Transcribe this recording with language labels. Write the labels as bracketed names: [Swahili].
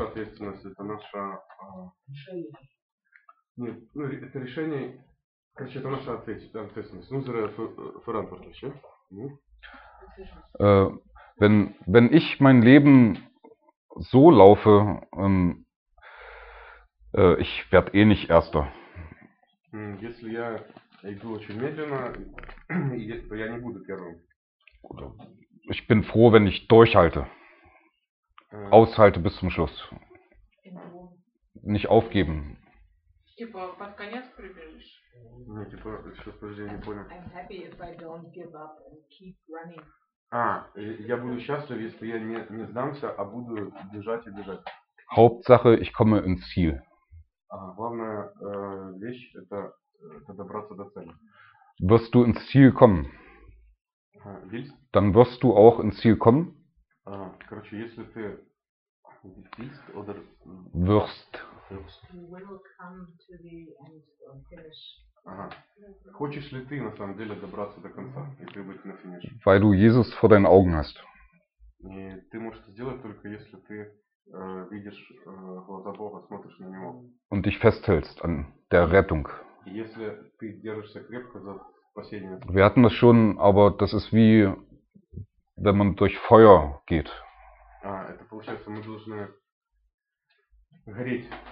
[Russian] Это наша ответственность, это наше решение. Нет, это решение, короче, это наша ответственность. [German] Unsere Verantwortung, ja? Wenn ich mein Leben so laufe, ich werde eh nicht Erster. [Russian] Если я иду очень медленно, то я не буду первым. [German] Ich bin froh, wenn ich durchhalte. Aushalte bis zum Schluss. Nicht aufgeben. [Russian] Типа, под конец прибежишь? Не, типа, сейчас, подожди, я не понял. [English] I'm happy if I don't give up and keep running. [Russian] А, я буду счастлив, если я не сдамся, а буду бежать и бежать. [German] Hauptsache, ich komme ins Ziel. [Russian] А главная вещь, это добраться до цели. [German] Wirst du ins Ziel kommen? Willst? Dann wirst du auch ins Ziel kommen. [Russian] Короче, если ты [German] willst oder wirst. [English] We will come to the end or finish. Ага. [Russian] Хочешь ли ты на самом деле добраться до конца и прибыть на финиш? [German] Weil du Jesus vor deinen Augen hast. [Russian] И ты можешь это сделать только если ты видишь глаза Бога, смотришь на него. [German] Und dich festhältst an der Rettung. [Russian] И если ты держишься крепко за спасение. [German] Wir hatten das schon, aber das ist wie wenn man durch Feuer geht. [Russian] А, это получается, мы должны гореть.